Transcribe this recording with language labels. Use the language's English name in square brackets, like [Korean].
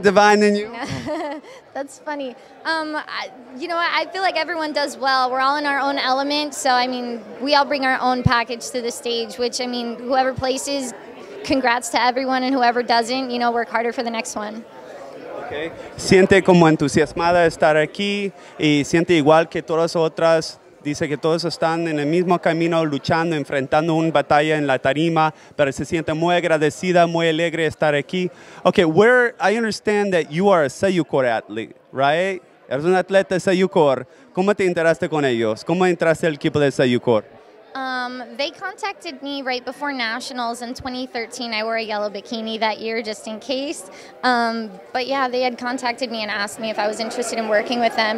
[English] divine than you? That's funny. You know, I feel like everyone does well. We're all in our own element, so, I mean, we all bring our own package to the stage, which, I mean, whoever places, congrats to everyone, and whoever doesn't, you know, work harder for the next one. Okay. [Spanish] Siente como entusiasmada estar aquí y siente igual que todas otras. Dice que todos están en el mismo camino luchando, enfrentando una batalla en la tarima, pero se siente muy agradecida, muy alegre estar aquí. [English] Okay, I understand that you are a Seyucor athlete, right? [Spanish] Eres un atleta de Seyucor. ¿Cómo te enteraste con ellos? ¿Cómo entraste al equipo de Seyucor? [English] They contacted me right before Nationals in 2013. I wore a yellow bikini that year just in case. But yeah, they had contacted me and asked me if I was interested in working with them.